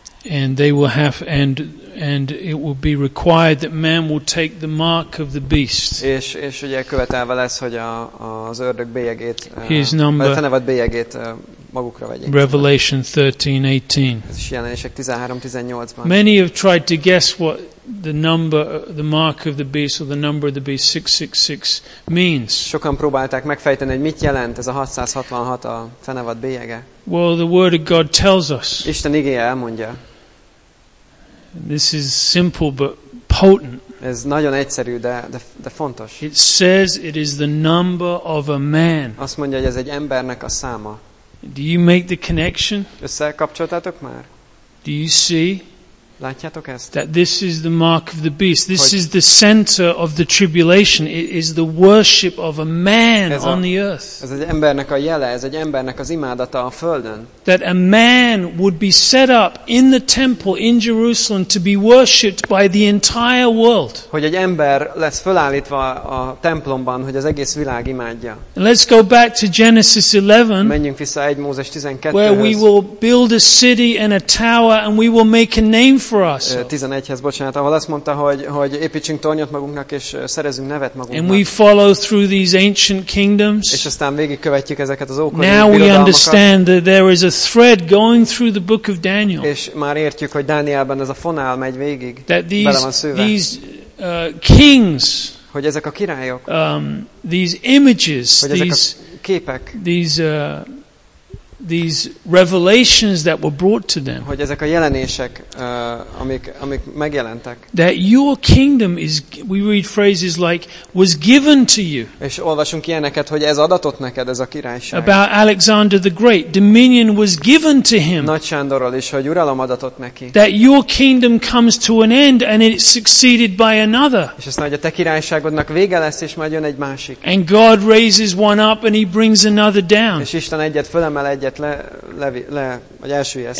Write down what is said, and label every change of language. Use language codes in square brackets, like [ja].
[en] And it will be required that man will take the mark of the beast. [hu] És ugye követelve lesz, hogy az ördög bélyegét, [en] his number, [hu] vagy a fenevad bélyegét magukra vegyék. [en] Revelation 13:18. [hu] Ez is Jelenések 13:18-ban. [en] Many have tried to guess what the number, the mark of the beast, or the number of the beast 666 means. [hu] Sokan próbálták megfejteni, hogy mit jelent ez a 666, a fenevad bélyege. [en] Well, the word of God tells us. [hu] Isten igéje elmondja. [en] This is simple but potent. [hu] Ez nagyon egyszerű, de fontos. [en] It says it is the number of a man. [hu] Azt mondja, hogy ez egy embernek a száma. [en] Do you make the connection? [hu] Összekapcsoltátok már? [en] Do you see? [hu] Látjátok ezt? [en] That this is the mark of the beast. This is the center of the tribulation. It is the worship of a man on the earth. [hu] Ez egy embernek a jele, ez egy embernek az imádata a földön. [en] That a man would be set up in the temple in Jerusalem to be worshipped by the entire world. [hu] Hogy egy ember lesz fölállítva a templomban, hogy az egész világ imádja. [en] Let's go back to Genesis 11. [hu] Menjünk vissza 1 Mózes 12-höz. [en] Where we will build a city and a tower and we will make a name for us. [hu] 11-hez, bocsánat, ahol azt mondta, hogy építsünk tornyot magunknak és szerezünk nevet magunknak. [en] And we follow through these ancient kingdoms. [hu] És aztán végigkövetjük ezeket az ókori birodalmakat. [en] Now we understand that there is a thread going through the book of Daniel. [hu] És már értjük, hogy Dánielben ez a fonál megy végig. [en] That these kings, [hu] hogy ezek a királyok, [en] these images, these [hu] képek, [en] these revelations that were brought to them, [hu] hogy ezek a jelenések amik megjelentek, [en] that your kingdom is, we read phrases like, was given to you, [hu] és olvasunk ilyeneket, hogy ez adatott neked, ez a királyság, [en] about Alexander the Great, dominion was given to him, [hu] Nagy Sándorról is, hogy uralom adatott neki, [en] that your kingdom comes to an end and it is succeeded by another, [hu] és azt mondja, hogy a te királyságodnak vége lesz és majd jön egy másik, [en] and God raises one up and he brings another down, [hu] és Isten egyet fölemel, egyet le vagy elsüllyeszt.